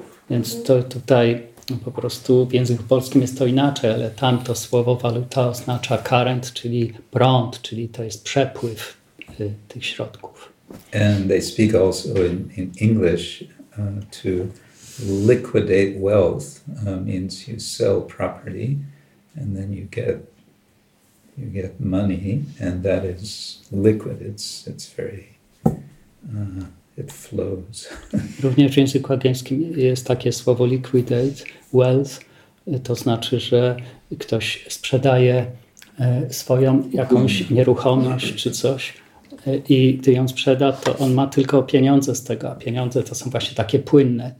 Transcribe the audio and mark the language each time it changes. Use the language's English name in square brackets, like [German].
[Polish] Więc to tutaj po prostu w języku polskim jest to inaczej, ale tamto słowo waluta oznacza current, czyli prąd, czyli to jest przepływ tych środków. [English] And they speak also in English to liquidate wealth means you sell property and then you get money and that is liquid. It's very it flows. [Polish] Również w języku angielskim jest takie słowo liquidate wealth. To znaczy, że ktoś sprzedaje swoją jakąś nieruchomość czy coś. I gdy ją sprzeda, to on ma tylko pieniądze z tego, a pieniądze to są właśnie takie płynne.